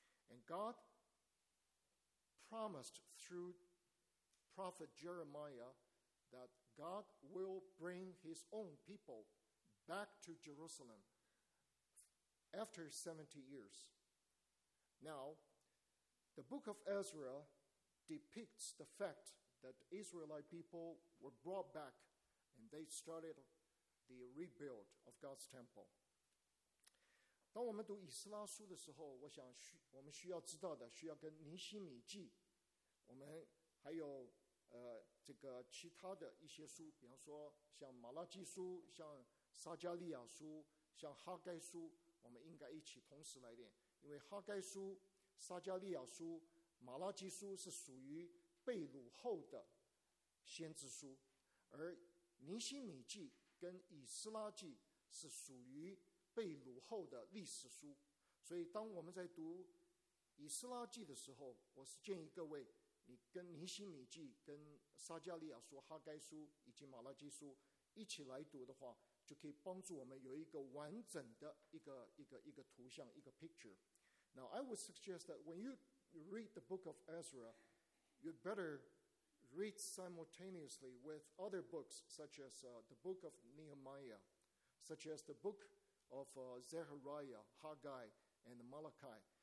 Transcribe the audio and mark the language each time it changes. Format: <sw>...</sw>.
<en>And God promised through prophet Jeremiah that God will bring his own people back to Jerusalem after 70 years. Now, the book of Ezra depicts the fact that the Israelite people were brought back and they started the rebuild of God's temple.</en> <zh>当我们读以斯拉书的时候，我想我们需要知道的，需要跟尼希米记，我们还有这个其他的一些书，比方说像马拉基书，像撒加利亚书，像哈该书，我们应该一起同时来念，因为哈该书、撒加利亚书、马拉基书是属于被掳后的先知书，而尼希米记跟以斯拉记是属于被掳后的历史书。所以当我们在读以斯拉记的时候，我是建议各位，你跟尼希米记、跟撒加利亚书、哈该书以及马拉基书一起来读的话，就可以帮助我们有一个完整的一个图像，一个 picture。</zh> <en>Now I would suggest that when you read the book of Ezra, you'd better read simultaneously with other books such as the book of Nehemiah, such as the bookOf Zechariah, Haggai, and Malachi.</en>